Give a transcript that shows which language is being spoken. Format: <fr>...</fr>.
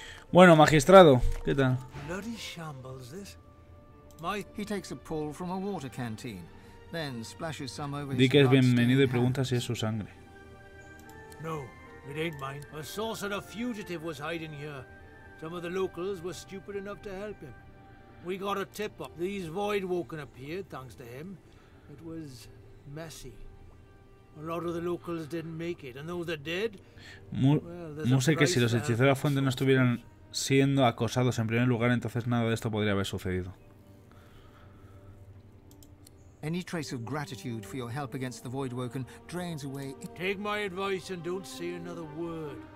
<es>Bueno, magistrado. ¿Qué tal?</es> <en>Bloody shambles this. My he takes a pull from a water canteen, then splashes some over his.</en> <es>Di que es bienvenido y pregunta si es su sangre.</es> <en>No, it ain't mine. A sorcerer fugitive was hiding here. Some of the locals were stupid enough to help him. We got a tip up. These void woken appeared, thanks to him. It was messy. A lot of the locals didn't make it, and those that did.</en> <es>Muse que si los hechiceros fuente no estuvieran siendo acosados en primer lugar, entonces nada de esto podría haber sucedido.</es> <en>Any trace of gratitude for your help against the Voidwoken drains away. Take my advice and don't say another word.</en>